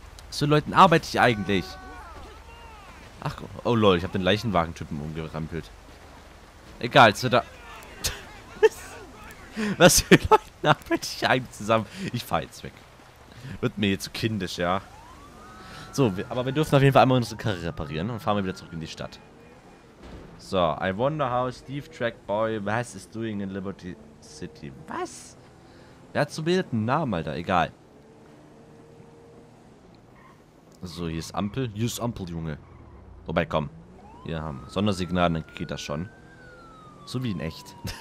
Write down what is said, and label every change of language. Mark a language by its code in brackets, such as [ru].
[de] So Leuten arbeite ich eigentlich. Ach, oh lol, ich habe den Leichenwagentypen umgerampelt. Egal, so da. Was für Leuten arbeite ich eigentlich zusammen? Ich fahre jetzt weg. Wird mir hier zu kindisch, ja. So, aber wir dürfen auf jeden Fall einmal unsere Karre reparieren und fahren wir wieder zurück in die Stadt. [en] So, I wonder how Steve Trackboy was is doing in Liberty City. [de] Was? Wer hat so bildet einen Namen, Alter? Egal. So, hier ist Ampel. Hier ist Ampel, Junge. Wobei, komm. Hier haben wir Sondersignale, dann geht das schon. So wie in echt.